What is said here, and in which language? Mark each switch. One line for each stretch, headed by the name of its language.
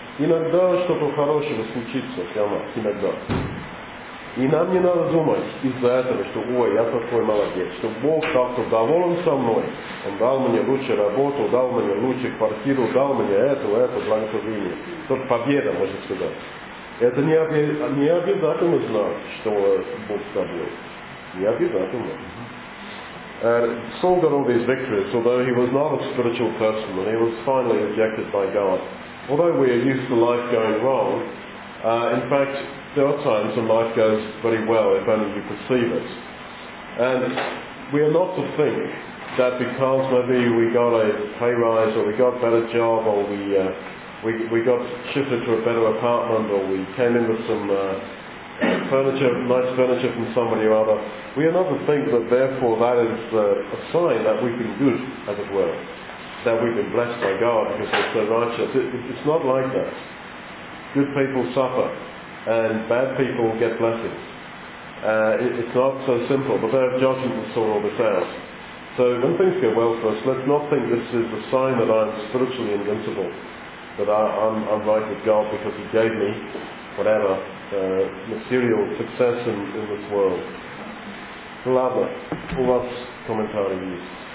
Russian: Иногда что-то хорошее случится прямо иногда. И нам не надо думать из-за этого, что «Ой, я такой молодец», что Бог как-то доволен со мной. Он дал мне лучшую работу, дал мне лучшую квартиру, дал мне это благословение. Тут победа, можно сказать. Это не обязательно знать, что Бог с тобой. Не обязательно.
English: Saul got all these victories, although he was not a spiritual person, and he was finally rejected by God. Although we are used to life going wrong, in fact, there are times when life goes very well, if only you perceive it. And we are not to think that because maybe we got a pay rise, or we got a better job, or we got shifted to a better apartment, or we came in with some nice furniture from somebody or other, we are not to think that therefore that is a sign that we've been good, as it were, that we've been blessed by God because we're so righteous. It's not like that. Good people suffer. And bad people get blessings. It's not so simple, but they have judgment to sort all this out. So when things go well for us, let's not think this is a sign that I'm spiritually invincible, that I'm right with God because He gave me whatever material success in this world.
Russian: Ладно, у вас комментарий есть?